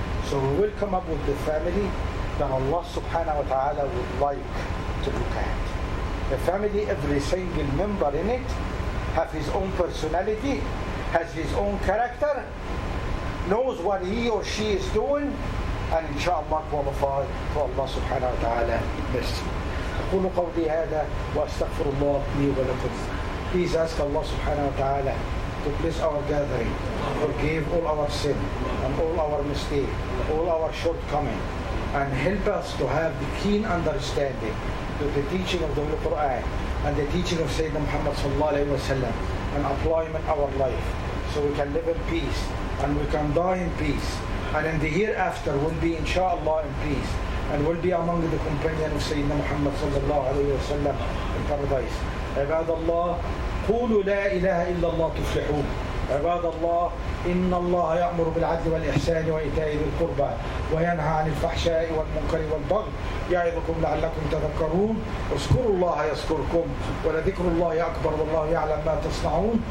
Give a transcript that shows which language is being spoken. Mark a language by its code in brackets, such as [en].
[en] So we will come up with the family that Allah subhanahu wa ta'ala would like to look at. The family, every single member in it, have his own personality, has his own character, knows what he or she is doing, and inshallah qualified for Allah subhanahu wa ta'ala mercy. [ar] أقول قولي هذا وأستغفر الله لي ولكم. [en] Please ask Allah subhanahu wa ta'ala to bless our gathering, forgive all our sin and all our mistakes, all our shortcomings, and help us to have the keen understanding to the teaching of the Holy Quran and the teaching of Sayyidina Muhammad sallallahu alayhi wa sallam and apply in our life so we can live in peace and we can die in peace, and in the hereafter we'll be inshallah in peace and will be among the companions of Sayyidina Muhammad sallallahu alayhi wa sallam in paradise. [ar] عباد الله قولوا لا إله إلا الله تفلحوا. عباد الله إن الله يأمر بالعدل والإحسان وإيتاء ذي القربى وينهى عن الفحشاء والمنكر والبغي يعظكم لعلكم تذكرون. اذكروا الله يذكركم ولذكر الله أكبر والله يعلم ما تصنعون.